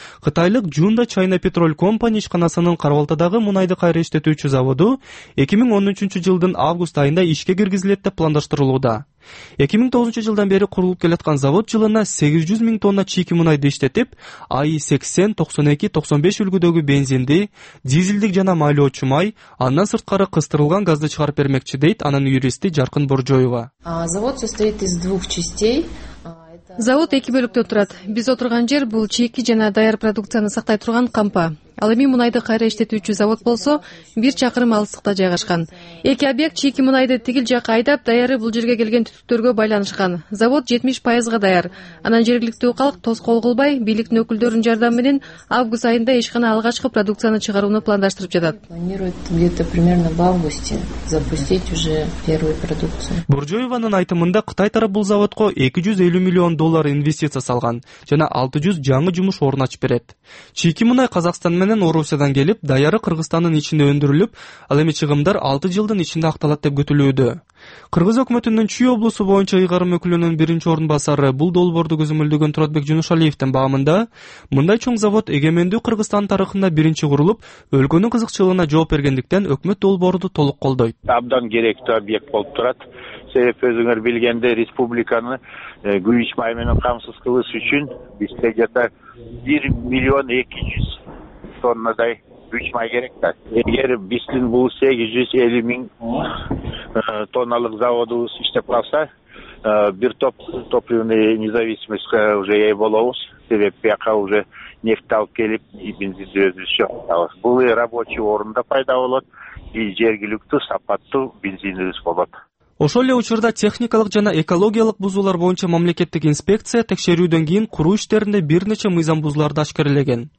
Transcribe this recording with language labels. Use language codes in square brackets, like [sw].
[ky] Кытайлык Junda China Petrol Company ишканасынын Карабалтадагы мунайды кайра иштетүүчү заводу 2013 жылдын август айында ишке киргизилет деп пландаштырылууда. 2009 жылдан бери курулуп келаткан завод жылына 800 000 тонна чийки мунайды иштетип, AI 80, 92, 95 үлгүдөгү бензинди, дизелдик жана майлоочу май, андан сырткары кыстырылган газды чыгарып бермекчи, дейт анын юристи Жаркын Боржоева. [ru] Завод состоит из двух частей. [ky] Завод эки бөлүктөн турат. Биз отурган жер бул чийки жана даяр продукцияны сактай турган кампа. Ал эми мунайды кайра иштетүүчү завод болсо, 1 чакырым алыстыкта жайгашкан. Эки объект чийки мунайды тигил жакка айдап, даяры бул жерге келген түтүктөргө байланышкан. Завод 70% даяр. Анан жергиликтүү халык тоскоол кылбай, бийликтин өкүлдөрүн жардамы менен август айында ишкана алгачкы продукцияны чыгарууну пландаштырып жатат. [ru] Планируют где-то примерно в августе запустить уже первую продукцию. [ky] Буржоеванын айтымында Кытай тарап бул заводко 250 миллион доллар инвестиция салган жана 600 жаңы жумуш орун ачып берет. Чийки мунай Казакстан менен Орусиядан келип, даяры Кыргызстандын ичинде өндүрүлүп, ал эми чыгымдар 6 жылдын ичинде акталат деп күтүлүүдө. Кыргыз өкмөтүнүн Чүй облусу боюнча ыйгарым өкүлүнүн биринчи орун басары бул долбоорду көзөмөлдөгөн Туратбек Жунушалиевдин баамында, мындай чоң завод эгемендүү Кыргызстан тарыхында биринчи курулуп, өлкөнүн кызыкчылыгына жооп бергендиктен өкмөт долбоорду толук колдойт. Абдан керектүү объект болуп турат. Себеп өзүңөр билгендей, республиканы күйүч май менен камсыз кылыш үчүн бизге жата 1 200 000 тоннадай күйүч май керек да. Эгер биздин бул 850 000 тонналык заводубуз иштеп калса, бир топ [ru] топливная независимость уже [ky] ээ болобуз. Себеп бияка [ru] уже нефть [ky] алып келип, бензинди өзүбүз жок алабыз. Бул рабочий орунда пайда болот, жергиликтүү сапаттуу бензинибиз болот. Ошол эле учурда техникалык жана экологиялык бузуулар боюнча мамлекеттик инспекция текшерүүдөн кийин куруу иштеринде бир нече мыйзам бузууларды ашкерелеген.